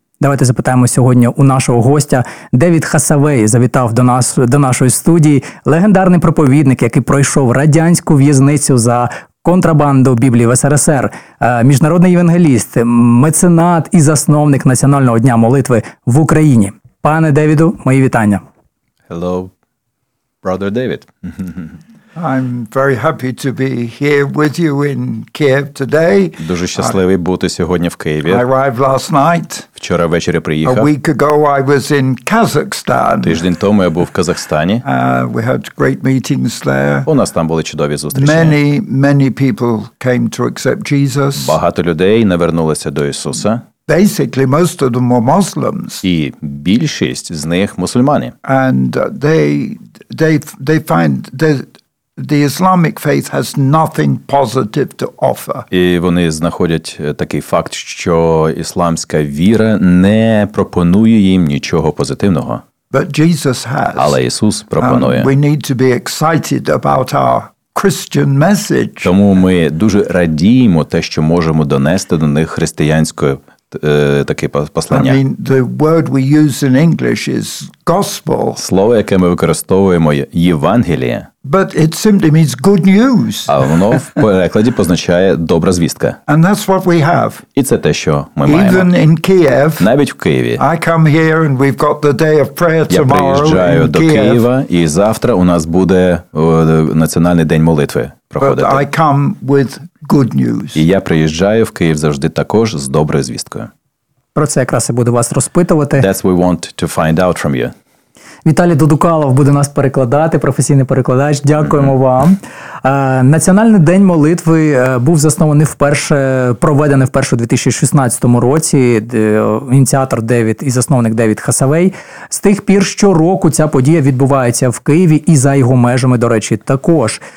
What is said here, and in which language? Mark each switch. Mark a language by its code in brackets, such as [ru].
[uk] Давайте запитаємо сьогодні у нашого гостя. Девід Хасавей завітав до нас, до нашої студії. Легендарний проповідник, який пройшов радянську в'язницю за контрабанду Біблії в СРСР. Міжнародний євангеліст, меценат і засновник Національного дня молитви в Україні. Пане Девіду, мої вітання. [en] Hello, brother David. I'm very happy to be here with you in Kyiv today. [uk] Дуже щасливий бути сьогодні в Києві. [en] I arrived last night. [uk] Вчора ввечері приїхав. [en] A week ago I was in Kazakhstan. [uk] Тиждень тому я був в Казахстані. [en] We had great meetings there. [uk] У нас там були чудові зустрічі. [en] Many, many people came to accept Jesus. [uk] Багато людей навернулися до Ісуса. [en] Basically, most of them were Muslims. [uk] І більшість з них мусульмани. [en] And they find the Islamic faith has nothing positive to offer. [uk] І вони знаходять такий факт, що ісламська віра не пропонує їм нічого позитивного. [en] But Jesus has. [uk] Але Ісус пропонує. [en] We need to be excited about our Christian message. [uk] Тому ми дуже радіємо те, що можемо донести до них християнську таке послання. [en] I mean, the word we use in English is gospel. [uk] Слово, яке ми використовуємо, Євангеліє. [en] But it simply means good news. [uk] А воно в перекладі позначає добра звістка. [en] And that's what we have. [uk] І це те, що ми [en] Even Even in Kiev. [uk] Навіть в Києві. [en] I come here and we've got the day of prayer tomorrow. [uk] Я приїжджаю до [en] Kiev. [uk] Києва, і завтра у нас буде національний день молитви проходити. But I come with good news. І я приїжджаю в Київ завжди також з доброю звісткою. Про це якраз і буду вас розпитувати. [en] That's what we want to find out from you. [uk] Віталій Додукалов буде нас перекладати, професійний перекладач. Дякуємо вам. Національний день молитви був заснований вперше, проведений вперше у 2016 році. Ініціатор Девід і засновник Девід Хасавей. З тих пір щороку ця подія відбувається в Києві і за його межами, до речі, також.